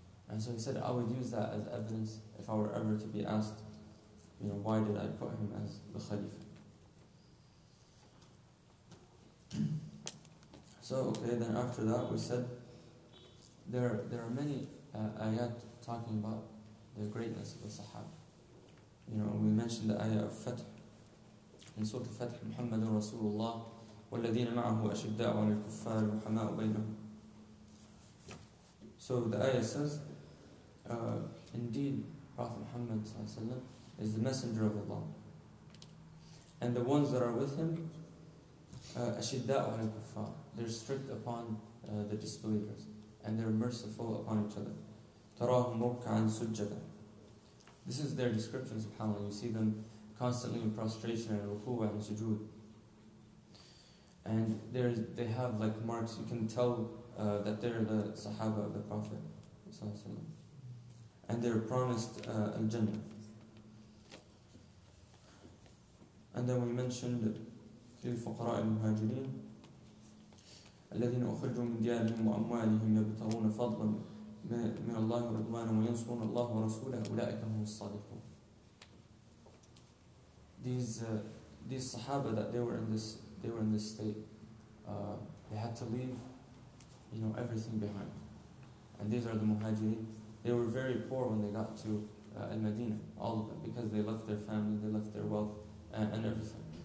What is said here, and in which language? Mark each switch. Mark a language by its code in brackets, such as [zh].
[en] And so he said, I would use that as evidence if I were ever to be asked, you know, why did I put him as the Khalifa? So, okay, then after that we said, there are many ayat talking about the greatness of the Sahaba. You know, we mentioned the ayah of Fath. In Surah Al-Fath, [ar] Muhammadun Rasulullah, وَالَّذِينَ مَعَهُ أَشِدَّاءُ عَلَى الْكُفَّارِ وَحَمَاءُ بَيْنَهُمْ. [en] So the ayah says, indeed, Prophet Muhammad is the messenger of Allah. And the ones that are with him, [ar] أشداءُ على الكفار. [en] They're strict upon the disbelievers, and they're merciful upon each other. [ar] تراهم ركعاً سجداً. [en] This is their description, subhanAllah. You see them constantly in prostration and ruku and sujood. And they have like marks. You can tell that they're the Sahaba of the Prophet. And they're promised al-Jannah. And then we mentioned [ar] في الفقراء المهاجرين الذين أخرجوا من ديارهم وأموالهم يبتغون فضلا من الله رضوانا وينصرون الله ورسوله أولئك هم الصادقون. [en] These Sahaba that they were in this state, they had to leave, you know, everything behind. And these are the Muhajirin. They were very poor when they got to Al-Madinah, all of them, because they left their family, they left their wealth, and everything.